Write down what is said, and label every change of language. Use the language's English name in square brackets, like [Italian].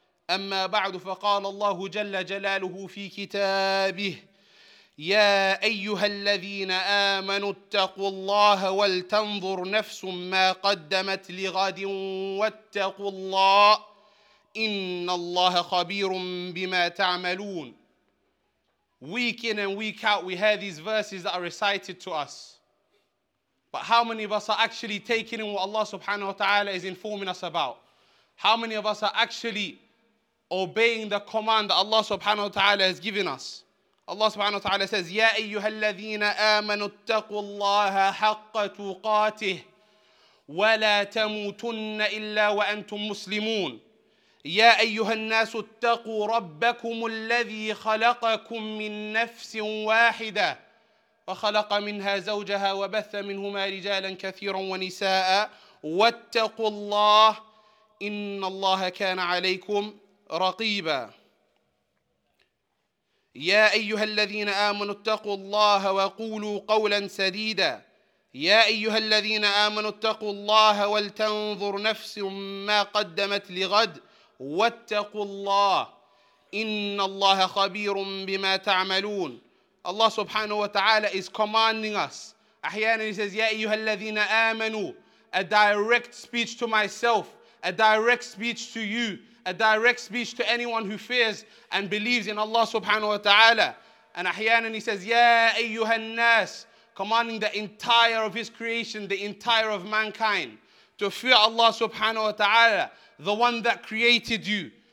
[Arabic] أما بعد، فقال الله جل جلاله في كتابه: يا أيها الذين آمنوا اتقوا الله ولتنظر نفس ما قدمت لغد واتقوا الله إن الله خبير بما تعملون. [English] Week in and week out we have these verses that are recited to us. But how many of us are actually taking in what Allah subhanahu wa ta'ala is informing us about? How many of us are actually obeying the command that Allah subhanahu wa ta'ala has given us? Allah subhanahu wa ta'ala says, [Arabic] يَا أَيُّهَا الَّذِينَ آمَنُوا اتَّقُوا اللَّهَ حَقَّ تُقَاتِهِ وَلَا تَمُوتُنَّ إِلَّا وَأَنْتُمْ مُسْلِمُونَ. يَا أَيُّهَا النَّاسُ اتَّقُوا رَبَّكُمُ الَّذِي خَلَقَكُم مِّن نَّفْسٍ وَاحِدَةٍ وخلق منها زوجها وبث منهما رجالا كثيرا ونساء، واتقوا الله إن الله كان عليكم رقيبا. يا أيها الذين آمنوا اتقوا الله وقولوا قولا سديدا. يا أيها الذين آمنوا اتقوا الله ولتنظر نفس ما قدمت لغد واتقوا الله إن الله خبير بما تعملون. [English] Allah subhanahu wa ta'ala is commanding us. Ahyana he says, [Arabic] Ya ayyuhal ladhina amanu. [English] A direct speech to myself, a direct speech to you, a direct speech to anyone who fears and believes in Allah subhanahu wa ta'ala. And ahyana he says, [Arabic] Ya ayyuhal nas. [English] Commanding the entire of his creation, the entire of mankind, to fear Allah subhanahu wa ta'ala, the one that created you.